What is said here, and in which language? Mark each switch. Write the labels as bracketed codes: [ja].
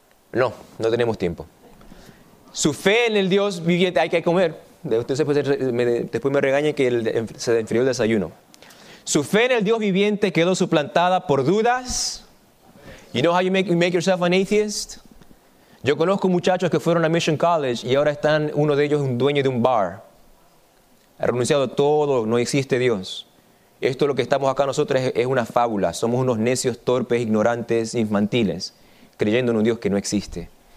[es] No, no tenemos tiempo. Su fe en el Dios viviente, hay que comer. Después me regañan que se enfrió el desayuno. Su fe en el Dios viviente quedó suplantada por dudas. [en] You know how you make yourself an atheist? [es] Yo conozco muchachos que fueron a Mission College y ahora están, uno de ellos, un dueño de un bar. Ha renunciado a todo, no existe Dios. Esto es lo que estamos acá nosotros, es una fábula. Somos unos necios, torpes, ignorantes, infantiles, creyendo en un Dios que no existe.